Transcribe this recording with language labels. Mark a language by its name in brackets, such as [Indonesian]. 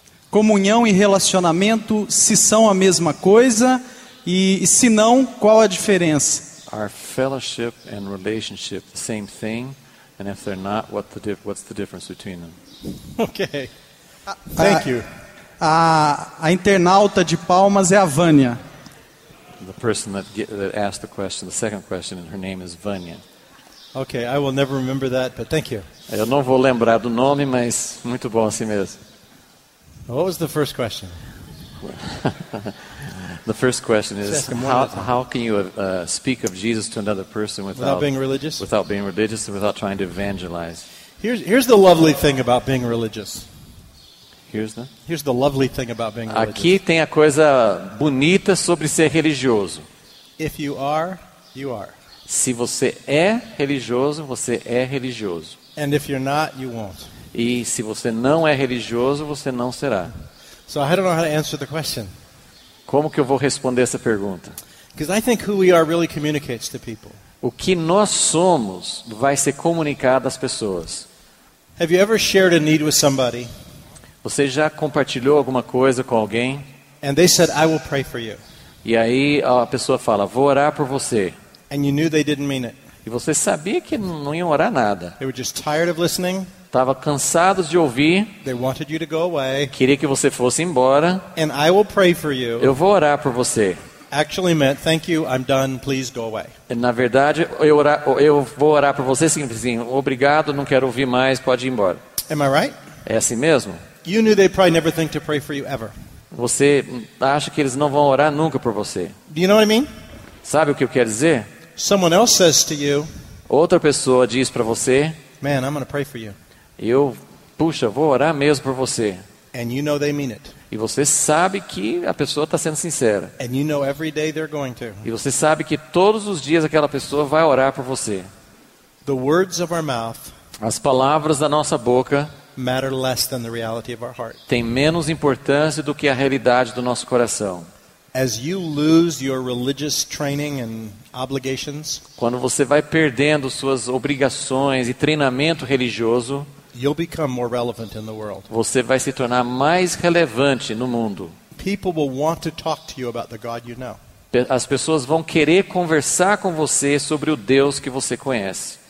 [Portuguese] Comunhão e relacionamento, se são a mesma coisa e se não, qual a diferença? [English] Are fellowship and relationship the same thing? And if they're not, what's the difference between them? Okay. Thank you. [Portuguese] A internauta de Palmas é a Vânia. [English] The person that asked the question, the second question, and her name is Vânia. Okay, I will never remember that, but thank you. [Portuguese] Eu não vou lembrar do nome, mas muito bom assim mesmo. [English] What was the first question? The first question is how can you speak of Jesus to another person without being religious and without trying to evangelize? Here's the lovely thing about being religious. Here's the lovely thing about being religious. [Portuguese] Aqui tem a coisa bonita sobre ser religioso. [English] If you are, you are. [Portuguese] Se você é religioso, você é religioso. [English] And if you're not, you won't. [Portuguese] E se você não é religioso, você não será. [English] So I don't know how to answer the question. [Portuguese] Como que eu vou responder essa pergunta? [English] Because I think who we are really communicates to people. [Portuguese] O que nós somos vai ser comunicado às pessoas. [English] Have you ever shared a need with somebody? [Portuguese] Você já compartilhou alguma coisa com alguém? [English] And they said, I will pray for you. [Portuguese] E aí a pessoa fala, vou orar por você. [English] And you knew they didn't mean it. [Portuguese] E você sabia que não iam orar nada. [English] They were just tired of listening. [Portuguese] Estava cansado de ouvir. [English] They wanted you to go away. [Portuguese] Queria que você fosse embora. [English] And I will pray for you. [Portuguese] Eu vou orar por você. [English] Actually meant, thank you, I'm done, please go away. [Portuguese] E, na verdade, eu vou orar por você, simplesinho. Obrigado, não quero ouvir mais, pode ir embora. [English] Am I right? [Portuguese] É assim mesmo? [English] You knew they probably never think to pray for you ever. [Portuguese] Você acha que eles não vão orar nunca por você. [English] Do you know what I mean? [Portuguese] Sabe o que eu quero dizer? [English] Someone else says to you, [Portuguese] outra pessoa diz para você, [English] man, I'm going to pray for you. [Portuguese] Puxa, vou orar mesmo por você. [English] And you know they mean it. [Portuguese] E você sabe que a pessoa está sendo sincera. [English] And you know every day they're going to. [Portuguese] E você sabe que todos os dias aquela pessoa vai orar por você. [English] The words of our mouth, [Portuguese] as palavras da nossa boca, [English] matter less than the reality of our heart. [Portuguese] Têm menos importância do que a realidade do nosso coração. [English] As you lose your religious training and obligations, [Portuguese] quando você vai perdendo suas obrigações e treinamento religioso, [English] you'll become more relevant in the world. [Portuguese] Você vai se tornar mais relevante no mundo. [English] People will want to talk to you about the God you know. [Portuguese] As pessoas vão querer conversar com você sobre o Deus que você conhece.